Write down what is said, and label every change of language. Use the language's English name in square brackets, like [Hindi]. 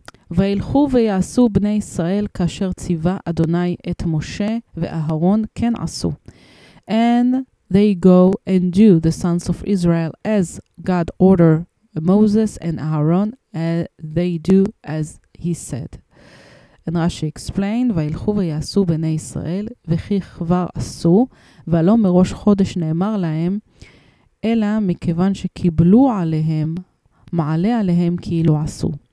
[Hebrew] וילכו ויעשו בני ישראל כאשר ציווה אדוני את משה ואהרון כן עשו. [English] And they go and do, the sons of Israel, as God ordered Moses and Aaron, they do as he said. And Rashi explained, [Hebrew] וילכו ויעשו בני ישראל, וכי כבר עשו, ולא מראש חודש נאמר להם, אלא מכיוון שקיבלו עליהם, מעלה עליהם כאילו עשו.